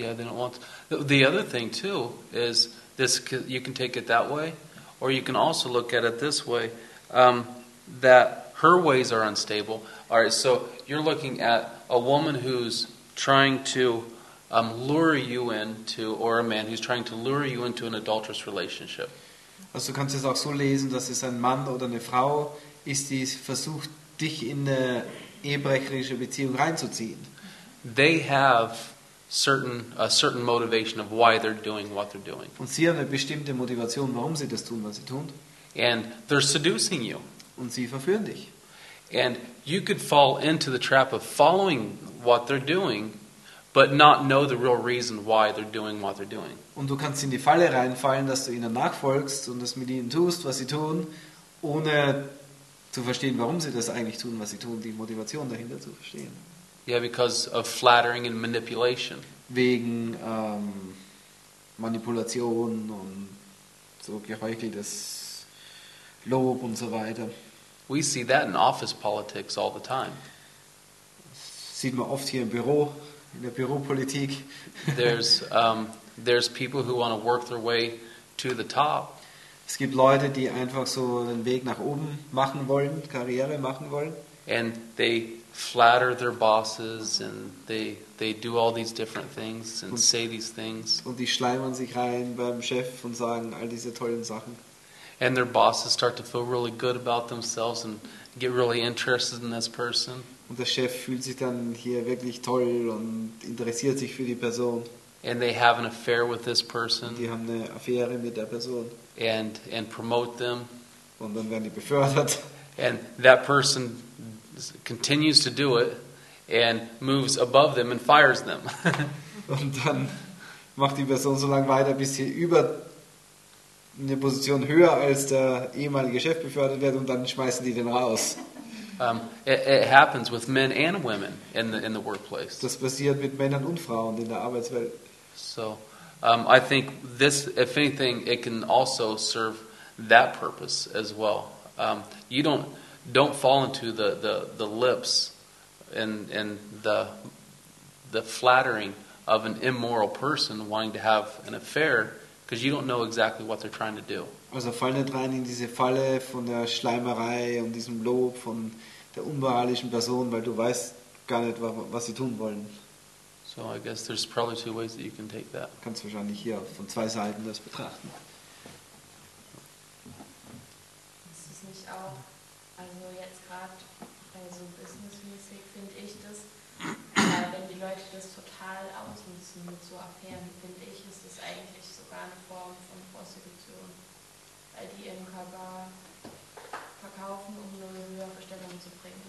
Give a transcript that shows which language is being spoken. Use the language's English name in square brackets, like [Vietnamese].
[English] Yeah, they don't want to. The other thing, too, is this, you can take it that way, or you can also look at it this way, that her ways are unstable. All right, so you're looking at a woman who's trying to lure you into, or a man who's trying to lure you into an adulterous relationship. [German] Also, du kannst es auch so lesen, dass es ein Mann oder eine Frau ist, die versucht, dich in eine ehebrecherische Beziehung reinzuziehen. [English] They have a certain motivation of why they're doing what they're doing. [German] Und sie haben eine bestimmte Motivation, warum sie das tun, was sie tun. [English] And they're seducing you. [German] Und sie verführen dich. [English] And you could fall into the trap of following what they're doing, but not know the real reason why they're doing what they're doing. [German] Und du kannst in die Falle reinfallen, dass du ihnen nachfolgst und das mit ihnen tust, was sie tun, ohne zu verstehen, warum sie das eigentlich tun, was sie tun, die Motivation dahinter zu verstehen. [English] Yeah, because of flattering and manipulation. [German] Wegen Manipulation und so geheucheltes Lob und so weiter. [English] We see that in office politics all the time. [German] Sieht man oft hier im Büro, in der Büropolitik. [English] There's people who want to work their way to the top. [German] Es gibt Leute, die einfach so den Weg nach oben machen wollen, Karriere machen wollen. [English] And they flatter their bosses and they do all these different things and say these things. [German] Und die schleimern sich rein beim Chef und sagen all diese tollen Sachen. [English] And their bosses start to feel really good about themselves and get really interested in this person. [German] Und der Chef fühlt sich dann hier wirklich toll und interessiert sich für die Person. [English] And they have an affair with this person. [German] Die haben eine Affäre mit der Person. [English] And promote them. [German] Und dann werden die befördert. [English] And that person continues to do it and moves above them and fires them. [German] Und dann macht die Person so lange weiter, bis sie über eine Position höher als der ehemalige Chef befördert wird und dann schmeißen die den raus. [English] It happens with men and women in the workplace. [German] Das passiert mit Männern und Frauen in der Arbeitswelt. [English] So, I think this, if anything, it can also serve that purpose as well. You don't fall into the lips and the flattering of an immoral person wanting to have an affair, because you don't know exactly what they're trying to do. [German] Also, fall nicht rein in diese Falle von der Schleimerei und diesem Lob von der unmoralischen Person, weil du weißt gar nicht, was sie tun wollen. [English] So I guess there's probably two ways that you can take that. [German] Kannst wahrscheinlich hier von zwei Seiten das betrachten. Ist es nicht auch, also jetzt gerade bei so businessmäßig finde ich das, wenn die Leute das total ausnutzen mit so Affären, finde ich, ist das eigentlich sogar eine Form von Prostitution, weil die ihren Körper verkaufen, um eine höhere Stellung zu bringen.